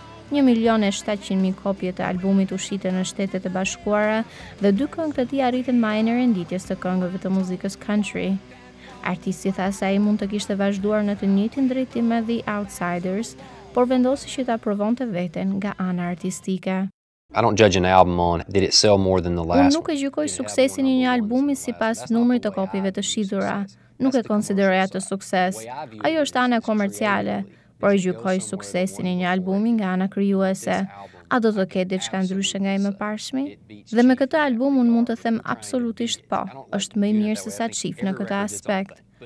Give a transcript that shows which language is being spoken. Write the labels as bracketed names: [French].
[Albanian] 1.700.000 kopje të albumit u shitën në Shtetet e Bashkuara dhe dy këngët e tij arritën majën e renditjes të këngëve të muzikës country. Artisti tha se ai mund të kishte vazhduar në të njëjtin drejtim me The Outsiders, por vendosi që ta provonte veten nga ana artistike. [English] I don't judge an album on did it sell more than the last. [Albanian] Unë nuk e gjykoj suksesin e një albumi sipas numrit të kopjeve të shitura. Nuk e konsideroj atë sukses. Ajo është ana komerciale. Por e gjykoj suksesin e një albumi nga ana krijuese. A do të ketë diçka ndryshe nga i mëparshmi? Dhe me këtë album unë mund të them absolutisht po, është më i mirë se sa Chief në këtë aspekt.